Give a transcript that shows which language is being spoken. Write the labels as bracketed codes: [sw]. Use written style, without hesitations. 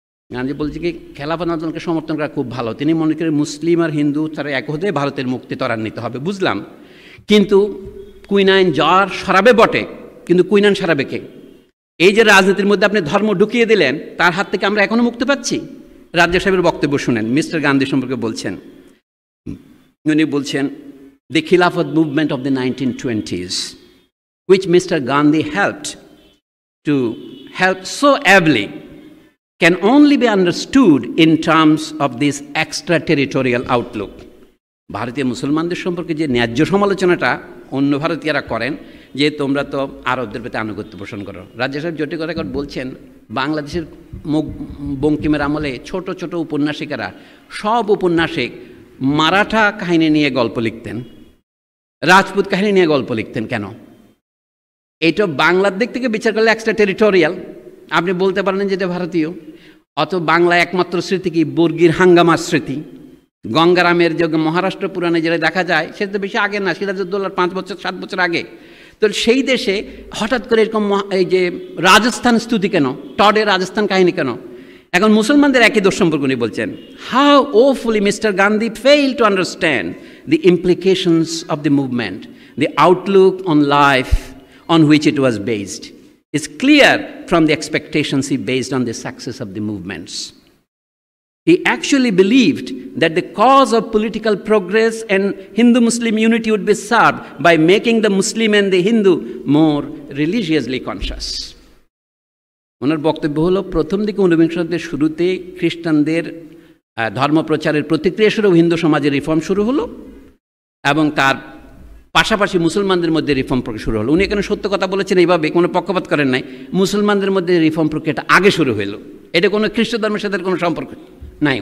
[bn] গান্ধী বলছে কি খেলাফত আন্দোলনকে সমর্থন করা খুব ভালো, তিনি মনে করেন মুসলিম আর হিন্দু তারা এক হতে ভারতের মুক্তি ত্বরান্বিত হবে, বুঝলাম, কিন্তু কুইনাইন জ্বর সরাবে বটে, কিন্তু কুইনাইন সরাবে কে? এই যে রাজনীতির মধ্যে আপনি ধর্ম ঢুকিয়ে দিলেন, তার হাত থেকে আমরা এখনও মুক্তি পাচ্ছি? রাজ্জাক সাহেবের বক্তব্য শুনেন, মিস্টার গান্ধী সম্পর্কে বলছেন, উনি বলছেন [en] The Khilafat movement of the 1920s which Mr. Gandhi helped to help so ably can only be understood in terms of this extraterritorial outlook. [bn] ভারতীয় মুসলমানদের সম্পর্কে যে ন্যায্য সমালোচনাটা অন্য ভারতীয়রা করেন যে তোমরা তো আরবদের প্রতি আনুগত্য পোষণ করো, রাজ্জাক সাহেব জটিল কথা বলছেন বাংলাদেশের বঙ্কিমের আমলে ছোট ছোট উপন্যাসিকেরা সব উপন্যাসিক মারাঠা কাহিনী নিয়ে গল্প লিখতেন, রাজপুত কাহিনী নিয়ে গল্প লিখতেন কেন? এইটা বাংলার দিক থেকে বিচার করলে এক্সট্রা টেরিটোরিয়াল, আপনি বলতে পারেন যে এটা ভারতীয়, অত বাংলা একমাত্র স্মৃতি কি বর্গীর হাঙ্গামার স্মৃতি, গঙ্গারামের যোগ মহারাষ্ট্র পুরাণে যেটা দেখা যায় সেটা তো বেশি আগে না, সেটা তো দোলার 5-7 বছর আগে, তো সেই দেশে হঠাৎ করে এরকম এই যে রাজস্থান স্তুতি কেন, টডের রাজস্থান কাহিনী কেন? এখন মুসলমানদের একই দোষ সম্পর্কে উনি বলছেন, [en] How awfully mister Gandhi fail to understand the implications of the movement, the outlook on life on which it was based is clear from the expectations he based on the success of the movements. He actually believed that the cause of political progress and Hindu-Muslim unity would be served by making the Muslim and the Hindu more religiously conscious. [bn] Onar boktobyo holo prothom dike 19th shatabdir shurute Christian der dharma procharer protikriya shuru Hindu samaje reform shuru holo ebong tar পাশাপাশি মুসলমানদের মধ্যে reform প্রক্রিয়া শুরু হলো। উনি এখানে সত্য কথা বলেছেন এইভাবে, কোনো পক্ষপাত করেন নাই, মুসলমানদের মধ্যে রিফর্ম প্রক্রিয়াটা আগে শুরু হলো, এটা কোনো খ্রিস্ট ধর্মের সাথে কোনো সম্পর্ক নাই।